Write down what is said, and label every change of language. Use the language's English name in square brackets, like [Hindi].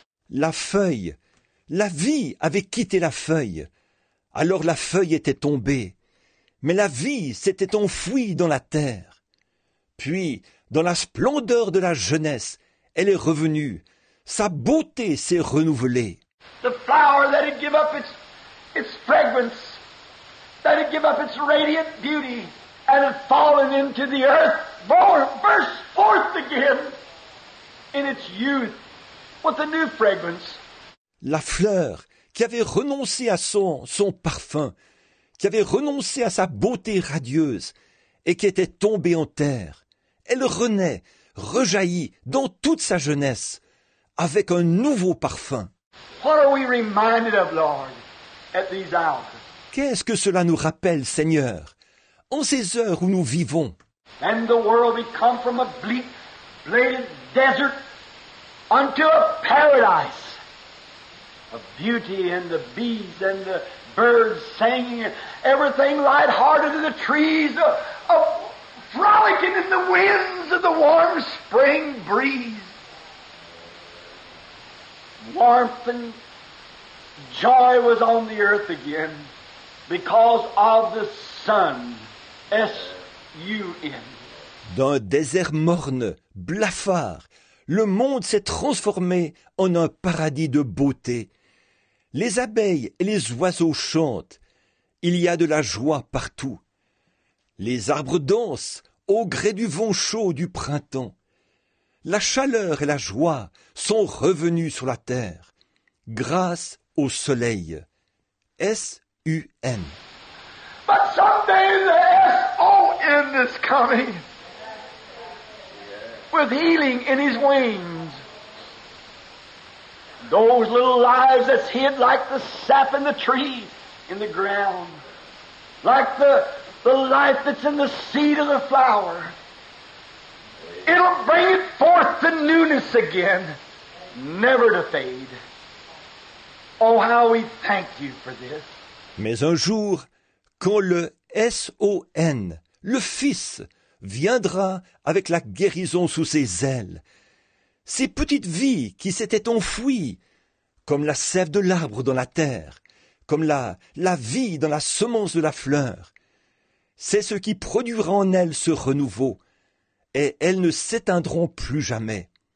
[French] La feuille, la vie avait quitté la feuille. Alors la feuille était tombée, mais la vie s'était enfouie dans la terre. Puis, dans la splendeur de la jeunesse, elle est revenue. Sa beauté s'est renouvelée. [English] The flower that had given up its fragrance, that had given up its radiant beauty, and had fallen into the earth, burst forth again in its youth with a new fragrance. [French] La fleur qui avait renoncé à son parfum, qui avait renoncé à sa beauté radieuse et qui était tombée en terre, elle renaît, rejaillit dans toute sa jeunesse, avec un nouveau parfum. [English] What are we reminded of, Lord, at these hours? [French] Qu'est-ce que cela nous rappelle, Seigneur, en ces heures où nous vivons? [English] And the world we come from a bleak, bladed desert unto a paradise of beauty and the bees and the birds singing, everything light-hearted in the trees of frolicking in the winds of the warm spring breeze. Warmth and joy was on the earth again because of the sun, S-U-N. [French] D'un désert morne, blafard, le monde s'est transformé en un paradis de beauté. Les abeilles et les oiseaux chantent. Il y a de la joie partout. Les arbres dansent au gré du vent chaud du printemps. La chaleur et la joie sont revenues sur la terre, grâce au soleil. S-U-N. [English] But someday the S-O-N is coming. With healing in his wings. Those little lives that's hid like the sap in the tree, in the ground. Like the life that's in the seed of the flower. It'll bring forth the newness again, never to fade. Oh, how we thank you for this. [French] Mais un jour, quand le S-O-N, le Fils, viendra avec la guérison sous ses ailes, ces petites vies qui s'étaient enfouies, comme la sève de l'arbre dans la terre, comme la vie dans la semence de la fleur, c'est ce qui produira en elles ce renouveau, et elles ne s'éteindront plus jamais.